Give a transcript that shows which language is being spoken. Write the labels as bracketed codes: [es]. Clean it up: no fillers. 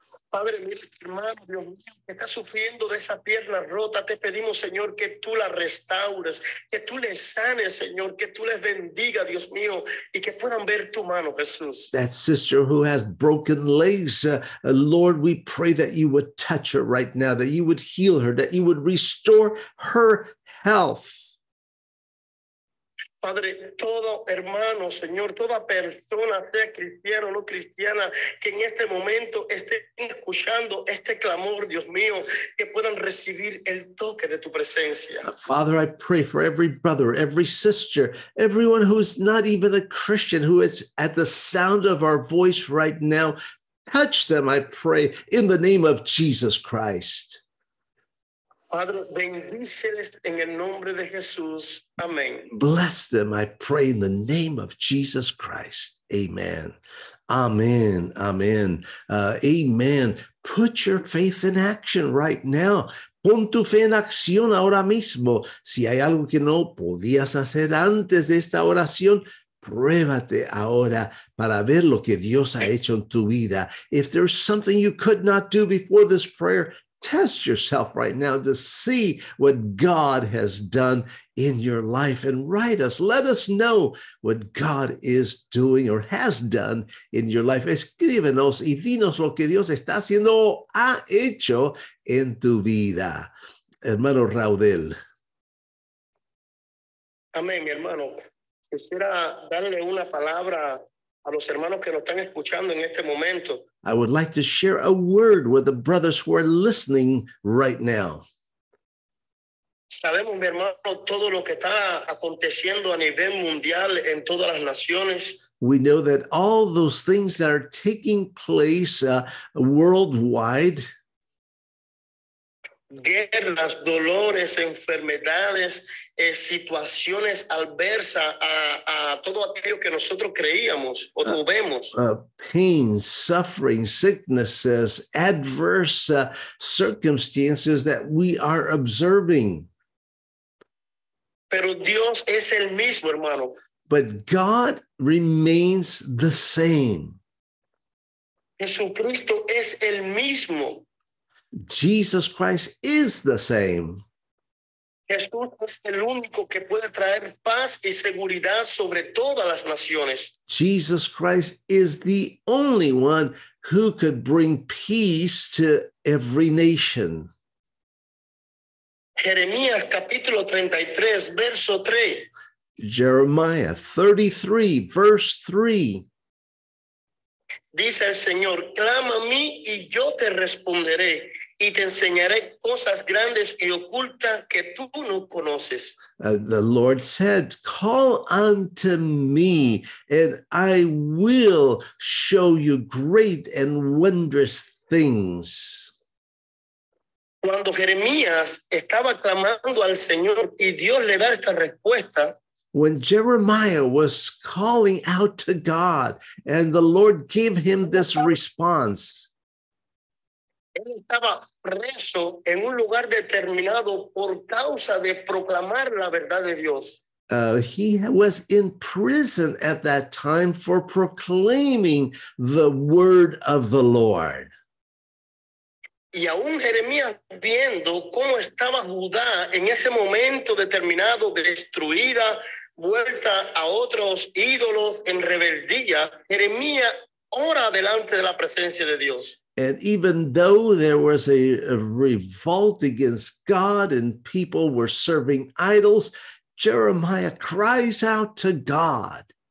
[es] Padre, mi hermano, Dios mío, que está sufriendo de esa pierna rota, te pedimos, Señor, que tú la restaures, que tú le sanes, Señor, que tú les bendiga, Dios mío, y que puedan ver tu mano, Jesús. [en] That sister who has broken legs, Lord, we pray that you would touch her right now, that you would heal her, that you would restore her health. [es] Padre, todo hermano, Señor, toda persona, sea cristiana o no cristiana, que en este momento esté escuchando este clamor, Dios mío, que puedan recibir el toque de tu presencia. [en] Father, I pray for every brother, every sister, everyone who is not even a Christian, who is at the sound of our voice right now, touch them, I pray, in the name of Jesus Christ. [es] Padre, bendíceles en el nombre de Jesús. Amén. [en] Bless them, I pray, in the name of Jesus Christ. Amen. Amen. Amen. Amen. Put your faith in action right now. [es] Pon tu fe en acción ahora mismo. Si hay algo que no podías hacer antes de esta oración, pruébate ahora para ver lo que Dios ha hecho en tu vida. [en] If there's something you could not do before this prayer, test yourself right now to see what God has done in your life and write us. Let us know what God is doing or has done in your life. [es] Escríbenos y dinos lo que Dios está haciendo o ha hecho en tu vida. Hermano Raudel. Amén, mi hermano. Quisiera darle una palabra a los hermanos que nos están escuchando en este momento. [en] I would like to share a word with the brothers who are listening right now. [es] Sabemos, mi hermano, todo lo que está aconteciendo a nivel mundial en todas las naciones. [en] We know that all those things that are taking place worldwide. [es] Guerras, dolores, enfermedades, situaciones adversas a todo aquello que nosotros creíamos o vemos. [en] Pain, suffering, sicknesses, adverse circumstances that we are observing. [es] Pero Dios es el mismo, hermano. [en] But God remains the same. [es] Jesucristo es el mismo. [en] Jesus Christ is the same. [es] Jesús es el único que puede traer paz y seguridad sobre todas las naciones. [en] Jesus Christ is the only one who could bring peace to every nation. [es] Jeremías capítulo 33, verso 3. [en] Jeremiah 33, verse 3. [es] Dice el Señor, clama a mí y yo te responderé y te enseñaré cosas grandes y ocultas que tú no conoces. [en] The Lord said, call unto me and I will show you great and wondrous things. [es] Cuando Jeremías estaba clamando al Señor y Dios le da esta respuesta, [en] when Jeremiah was calling out to God and the Lord gave him this response. [es] Él estaba preso en un lugar determinado por causa de proclamar la verdad de Dios. [en] He was in prison at that time for proclaiming the word of the Lord. [es] Y aún Jeremías viendo cómo estaba Judá en ese momento determinado destruida, vuelta a otros ídolos en rebeldía, Jeremías ora delante de la presencia de Dios. [en] And even though there was a revolt against God and people were serving idols, Jeremiah cries out to God.